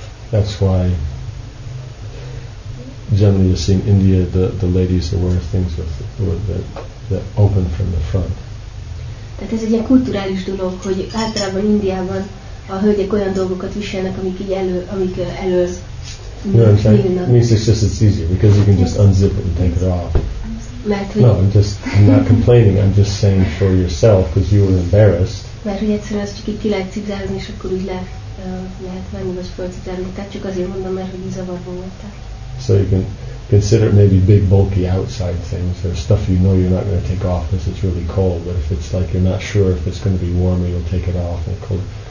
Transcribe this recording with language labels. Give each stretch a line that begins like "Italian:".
English: That's why generally you see in India the ladies are wearing things that open from the front.
Hungarian: Tehát ez egy ilyen kulturális dolog, hogy általában Indiában a hölgyek olyan dolgokat viselnek, amik elő.
English: You know what I'm saying? It's just it's easier because you can just unzip it and take it off. No, I'm not complaining. I'm just saying for yourself because you were embarrassed.
Hungarian: Mert hogy egyszerűen azt csak így ki lehet cipzárni, és akkor úgy lehet menni, vagy fölcipzárni. Tehát csak azért mondom, mert hogy zavarba voltál.
English: So you can consider it maybe big bulky outside things or stuff you know you're not going to take off because it's really cold. But if it's like you're not sure if it's going to be warmer, you'll take it off and cold.